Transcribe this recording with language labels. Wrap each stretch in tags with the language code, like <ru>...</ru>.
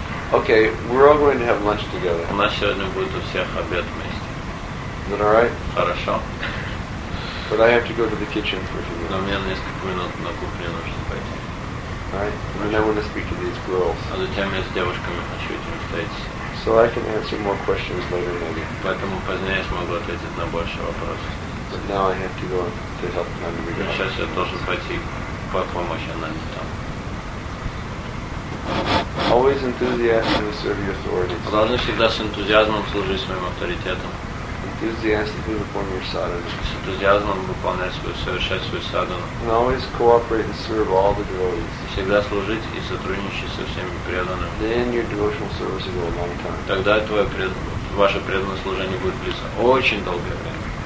<en>Okay, we're all going to have lunch together.</en> <ru>У нас сегодня будет у всех обед вместе.</ru> <en>Is that all right?</en> <ru>Хорошо.</ru> <en>But I have to go to the kitchen for a few minutes.</en> <ru>Но мне несколько минут на кухню нужно пойти.</ru> <en>All right. And then I want to speak to these girls.</en> <ru>А затем я с девушками хочу этим встретиться.</ru> <en>So I can answer more questions later, maybe.</en> <ru>Поэтому позднее смогу ответить на больше вопросов.</ru> <en>But now I have to go to help Анна.</en> <ru>Сейчас я должен пойти по помощи Анне там.</ru> <en>Always enthusiastically serve your authorities.</en> <ru>Должны всегда с энтузиазмом служить своим авторитетам.</ru> <en>Enthusiastically perform your sadhana.</en> <ru>С энтузиазмом выполнять свою, совершать свою sadhana.</ru> <en>And always cooperate and serve all the devotees.</en> <ru>Всегда служить и сотрудничать со всеми преданными.</ru> <en>Then your devotional service will go a long time.</en> <ru>Тогда твое ваше преданное служение будет длиться очень долгое время.</ru>